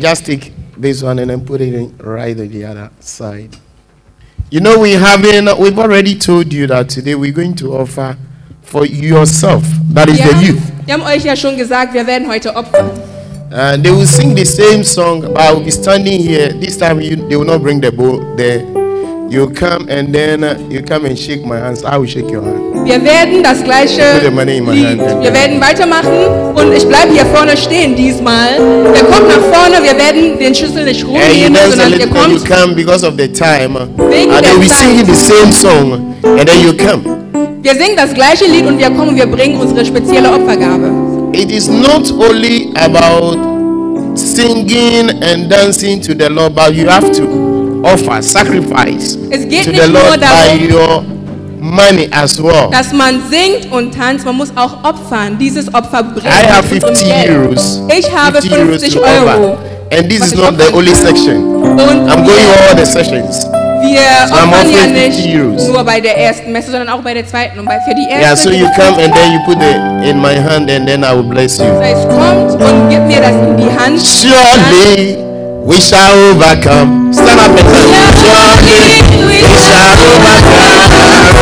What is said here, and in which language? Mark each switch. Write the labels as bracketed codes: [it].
[en] Just take this one and then put it in right on the other side. You know, we've already told you that today we're going to offer for yourself. That is the youth. [de] Wir haben euch ja schon gesagt, wir werden heute opfern. [en] They will sing the same song, but I will be standing here. This time they will not bring the bowl there. You come and then you come and shake my hands. I will shake your hand. [de] Wir werden das gleiche. [en] Put the money in my hand. [de] Wir werden weitermachen und ich bleibe hier vorne stehen diesmal. Wir kommen nach vorne. Wir werden den Schlüssel nicht rumnehmen, sondern wir kommen. [en] You come because of the time. [de] Wegen der Zeit. [en] And then we sing the same song and then you come. [de] Wir singen das gleiche Lied und wir kommen. Wir bringen unsere spezielle Opfergabe. [en] It is not only about singing and dancing to the Lord, but you have to offer sacrifice to the Lord by your money as well. [de] Dass man singt und tanzt, man muss auch opfern. Dieses Opfer bringt. [en] I have 50 euros. [de] Ich habe 50 Euro. [en] And this is not the only section. I'm going all the sessions. [de] Nur bei der ersten Messe, sondern auch bei der zweiten und für die erste. [en] Yeah, so you come and then you put it in my hand and then I will bless you. [de] Das heißt, kommt und gib mir das in die Hand. [en] Surely we shall overcome. Stand up and say, surely we shall overcome.